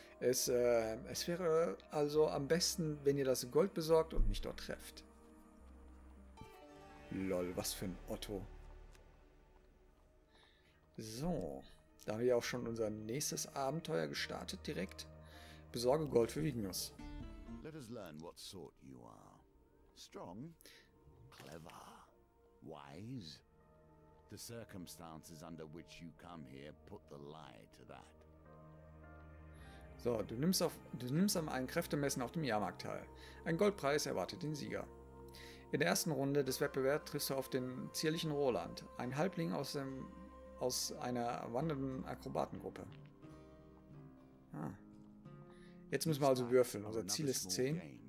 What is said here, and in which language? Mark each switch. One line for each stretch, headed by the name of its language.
German: Es wäre also am besten, wenn ihr das Gold besorgt und mich dort trefft. Lol, was für ein Otto. So. Da haben wir auch schon unser nächstes Abenteuer gestartet, direkt. Besorge Gold für Vignus.
English: Let us learn what sort you are. Strong, clever, wise. The circumstances under which you come here put the lie to that.
German: So, du nimmst an einem Kräftemessen auf dem Jahrmarkt teil. Ein Goldpreis erwartet den Sieger. In der ersten Runde des Wettbewerbs triffst du auf den zierlichen Roland, ein Halbling aus einer wandernden Akrobatengruppe. Ah. Jetzt müssen wir also würfeln. Unser Ziel ist 10.